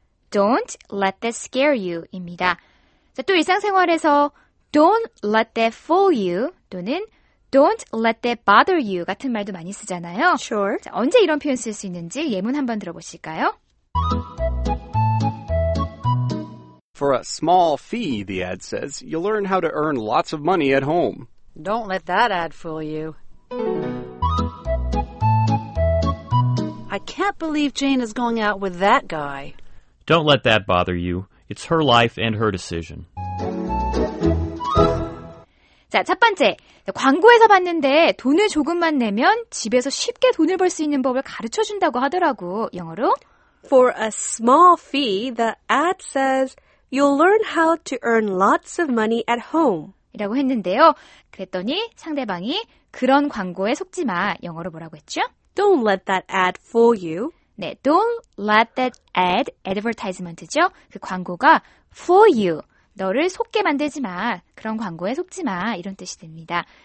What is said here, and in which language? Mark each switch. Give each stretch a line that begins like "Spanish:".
English: Don't let that scare you
Korean: 입니다. 자, 또 일상생활에서
English: Don't let that fool you 또는 Don't let that bother you
Korean: 같은 말도 많이 쓰잖아요.
English: Sure.
Korean: 자, 언제 이런 표현 쓸 수 있는지 예문 한번 들어보실까요?
English: For a small fee, the ad says, you'll learn how to earn lots of money at home. Don't let that ad fool you. I can't believe Jane is going out with that guy. Don't let that bother you. It's her life and her decision.
Korean: 자, 첫 번째, 광고에서 봤는데 돈을 조금만 내면 집에서 쉽게 돈을 벌 수 있는 법을 가르쳐준다고 하더라고, 영어로.
English: For a small fee, the ad says, you'll learn how to earn lots of money at home.
Korean: 이라고 했는데요. 그랬더니 상대방이 그런 광고에 속지 마, 영어로 뭐라고 했죠?
English: Don't let that ad fool you.
Korean: 네,
English: don't let that ad, advertisement죠.
Korean: 그 광고가
English: fool you.
Korean: 너를 속게 만들지 마. 그런 광고에 속지 마. 이런 뜻이 됩니다.